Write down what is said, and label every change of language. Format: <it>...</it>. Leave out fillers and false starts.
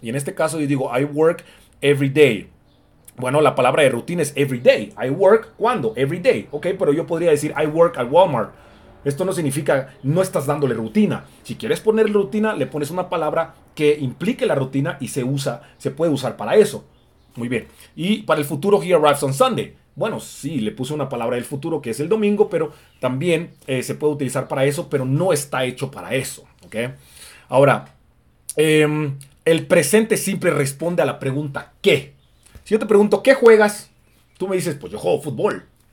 <es>Y en este caso yo digo,</es> <en>I work every day.</en> <es>Bueno, la palabra de rutina es</es> <en>every day. I work,</en> <es>¿cuándo?</es> <en>Every day.</en> <es>Ok, pero yo podría decir,</es> <en>I work at Walmart.</en> <es>Esto no significa, no estás dándole rutina. Si quieres ponerle rutina, le pones una palabra que implique la rutina y se puede usar para eso. Muy bien. Y para el futuro,</es> <en>he arrives on Sunday.</en> <es>Bueno, sí, le puse una palabra del futuro que es el domingo, pero también se puede utilizar para eso, pero no está hecho para eso, ¿ok? Ahora, el presente simple responde a la pregunta ¿qué? Si yo te pregunto ¿qué juegas? Tú me dices, pues yo juego fútbol.</es>